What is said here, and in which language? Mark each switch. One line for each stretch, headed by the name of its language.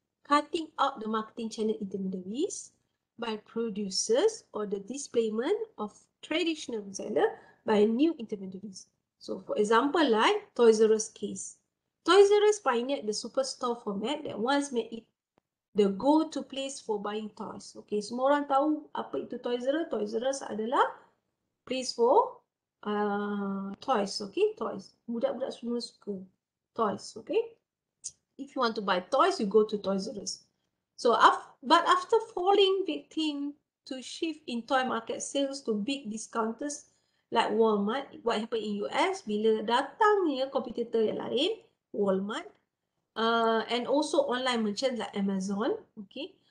English: Cutting out the marketing channel intermediaries by producers, or the displacement of traditional seller by new intermediaries. So, for example, like Toys R Us case. Toys R Us pioneered the superstore format that once made it the go-to place for buying toys.
Malay: Okay, semua orang tahu apa itu Toys R Us. Toys R Us adalah
English: place for toys.
Malay: Okay, toys. Budak-budak semua suka toys, okay?
English: If you want to buy toys, you go to Toys R Us. So, but after falling victim to shift in toy market sales to big discounters like Walmart, what happened in US,
Malay: bila datangnya competitor yang lain,
English: Walmart, and also online merchants like Amazon, okay?